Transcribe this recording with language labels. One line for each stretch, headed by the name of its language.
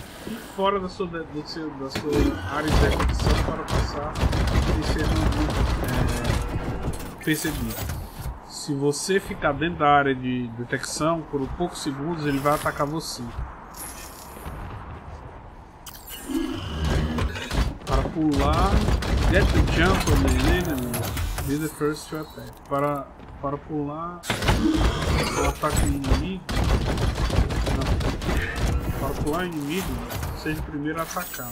Portuguese: E fora da sua, da sua área de execução para passar e ser percebido. Se você ficar dentro da área de detecção por poucos segundos, ele vai atacar você. Pular,
English: get the jump on the enemy, be the first to attack.
Portuguese: Para pular o ataque inimigo, para pular inimigo, seja o primeiro a atacar.